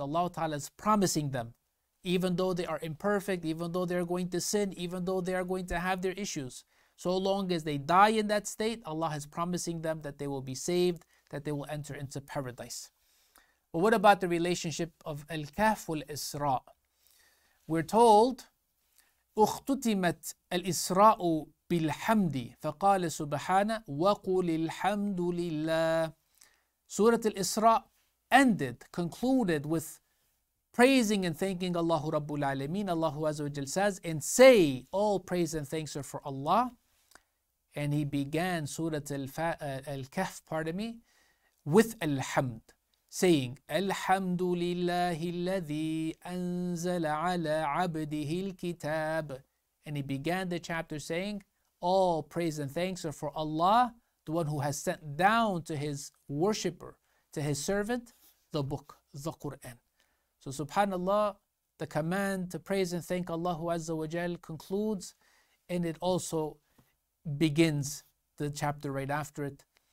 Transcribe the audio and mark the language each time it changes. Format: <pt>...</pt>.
<en>Allah Ta'ala is promising them, even though they are imperfect, even though they are going to sin, even though they are going to have their issues, so long as they die in that state, Allah is promising them that they will be saved, that they will enter into paradise. But what about the relationship of Al-Kahf wal-Isra? We're told,</en> <ar>اختتمت الإسراء بالحمد فقال سبحانه وقل الحمد لله.</ar> <en>سورة الإسراء ended, concluded with praising and thanking Allah رب العالمين. Allah Azza wa Jal says, and say, all praise and thanks are for Allah. And he began</en> <ar>سورة الكهف,</ar> <en>pardon me, with</en> <ar>الحمد, saying, الحمد لله الذي أنزل على عبده الكتاب.</ar> <en>And he began the chapter saying, all praise and thanks are for Allah, the one who has sent down to his worshipper, to his servant, the book, the Qur'an. So subhanAllah, the command to praise and thank Allah Azza wa Jal concludes, and it also begins the chapter right after it.</en>